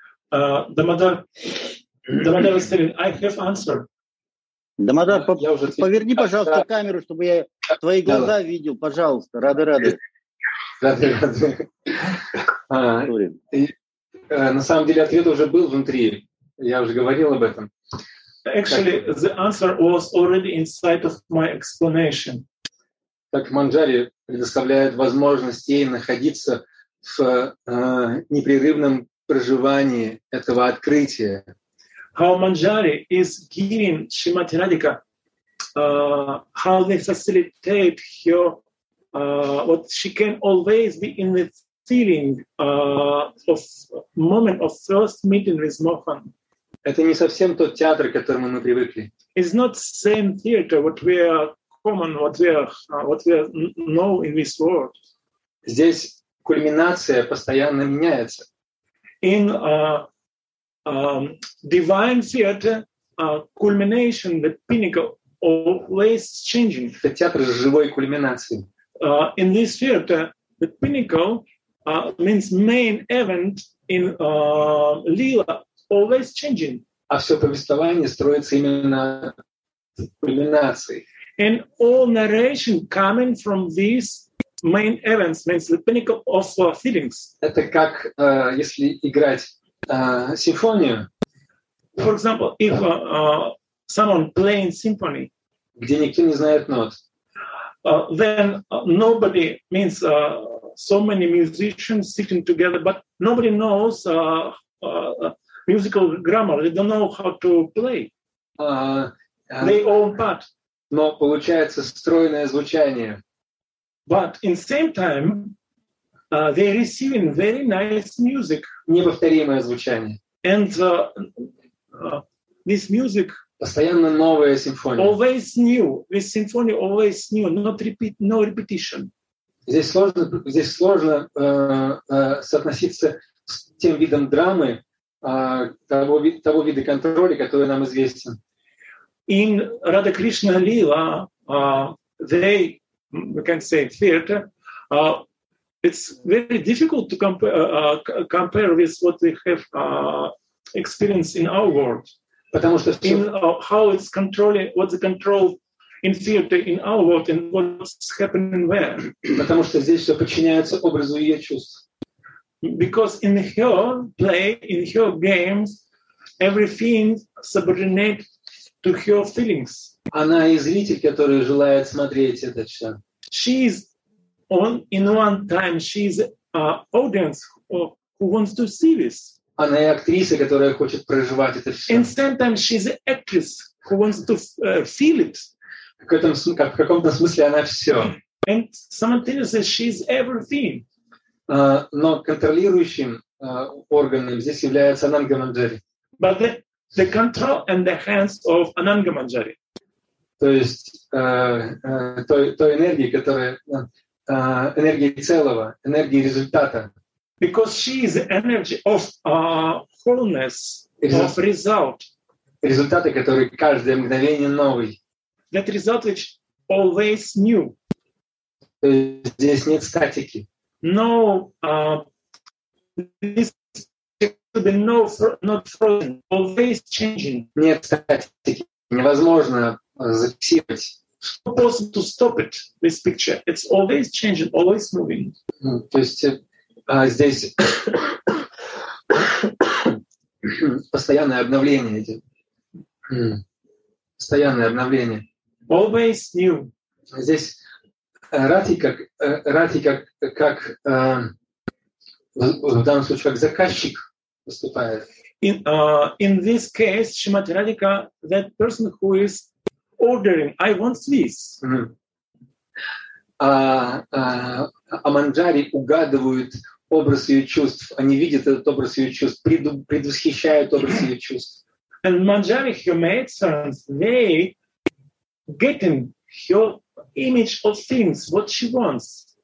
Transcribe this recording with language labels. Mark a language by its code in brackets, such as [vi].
[en] Дамодар is telling, I have answer. [ru] Дамодар, поверни, пожалуйста, камеру, чтобы я твои глаза видел, пожалуйста. Рады-рады. Рады-рады. На самом деле ответ уже был внутри. Я уже говорил об этом. [en] Actually, the answer was already inside of my explanation. [ru] Так манджари предоставляет возможность ей находиться в непрерывном проживании этого открытия. [en] How manjari is giving Shrimati Radhika how they facilitate her what she can always be in the feeling of moment of first meeting with Mohan. [ru] Это не совсем тот театр, к которому мы привыкли. [en] It's not same theater what we are common, what we know in this world. [ru] Здесь кульминация постоянно меняется. [en] In divine theater, culmination, the pinnacle always changing. [ru] Это театр с живой кульминацией. [en] In this theater, the pinnacle means main event in Lila always changing. [ru] А все повествование строится именно на кульминации. [en] And all narration coming from these main events means the pinnacle of our feelings. [ru] Это как если играть симфонию. [en] For example, if someone playing symphony, [ru] где никто не знает нот, [en] then nobody means. So many musicians sitting together, but nobody knows musical grammar. They don't know how to play. They own part. [ru] Но получается стройное звучание. [en] But in same time, they receiving very nice music. [ru] Неповторимое звучание. [en] And this music. [ru] Постоянно новая симфония. [en] Always new. This symphony always new. Not repeat. No repetition. [ru] Здесь сложно соотноситься с тем видом драмы, того вида контроля, который нам известен. [en] In Radha Krishna Lila, they, we can say theater, it's very difficult to compare with what we have experience in our world. [ru] Потому что [en] in, how it's controlling, what's the control in theater in our world, and what's happening where? [ru] Потому что здесь все подчиняется образу ее чувств. [en] Because in her play, in her games, everything subordinate to her feelings. [ru] Она и зритель, который желает смотреть это все. [en] She is on in one time. She is an audience who wants to see this. [ru] Она и актриса, которая хочет проживать это все. [en] In same time, she's an actress who wants to feel it. [ru] В каком-то смысле она все. [en] And simultaneously, she's everything. [ru] Но контролирующим органом здесь является Ананга Манджари. [en] But the control and the hands of Ананга Манджари. [ru] То есть той энергии, которая энергии целого, энергии результата. [en] Because she is the energy of wholeness, of result. [ru] Результаты, которые каждое мгновение новый. [en] That result which always new. [ru] То есть здесь нет статики. [en] No, this should be no, not frozen, always changing. [ru] Нет статики. Невозможно зафиксировать. [en] It's impossible to stop it, this picture. It's always changing, always moving. [ru] То есть здесь постоянное обновление. Постоянное обновление. [en] Always new. [ru] Здесь Рати как в данном случае как заказчик выступает. [en] In this case, Shrimati Radhika, that person who is ordering, I want this. [ru] А Манджари угадывают образ ее чувств. Они видят этот образ ее чувств, предвосхищают образ ее чувств. [en] And Manjari, her maidservants, they getting her image of things, what she wants.